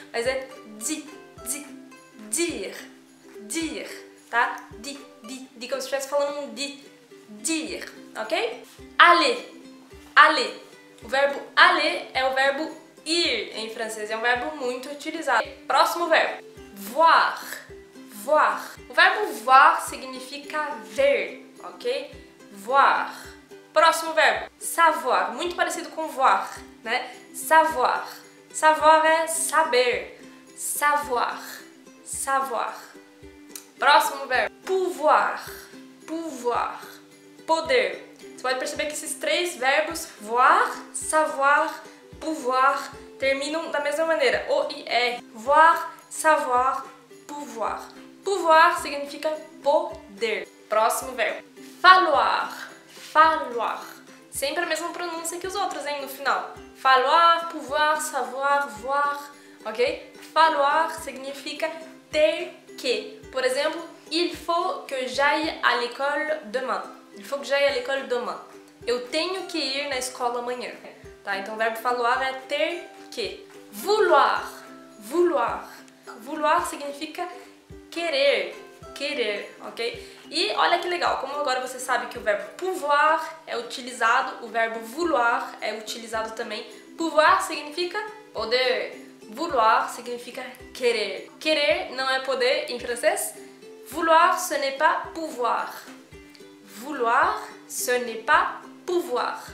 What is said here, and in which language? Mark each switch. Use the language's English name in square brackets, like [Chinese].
[Portuguese] Mas é di. Di. Dire. Dire. Tá? Di. Di. Di. Como se estivesse falando um di. Dire, ok? Aller, aller. O verbo aller é o verbo ir em francês, é um verbo muito utilizado. Próximo verbo, voir, voir. O verbo voir significa ver, ok? Voir. Próximo verbo, savoir, muito parecido com voir, né? Savoir, savoir é saber, savoir, savoir. Próximo verbo, pouvoir, pouvoir. Poder. Você pode perceber que esses três verbos, voir, savoir, pouvoir, terminam da mesma maneira, O, I, R. Voir, savoir, pouvoir. Pouvoir significa poder. Próximo verbo. [French] Falloir, falloir. [Portuguese] Sempre a mesma pronúncia que os outros, hein, no final. [French] Falloir, pouvoir, savoir, voir, ok? [Portuguese] Falloir significa ter que. Por exemplo, [French] il faut que j'aille à l'école demain. Il faut que j'aille à l'école demain. [Portuguese] Eu tenho que ir na escola amanhã. Tá? Então o verbo falloir é ter que. Vouloir. Vouloir. Vouloir significa querer. Querer, ok? E olha que legal, como agora você sabe que o verbo pouvoir é utilizado, o verbo vouloir é utilizado também. Pouvoir significa poder. Vouloir significa querer. Querer não é poder em francês. [French] Vouloir ce n'est pas pouvoir. Vouloir, ce n'est pas pouvoir.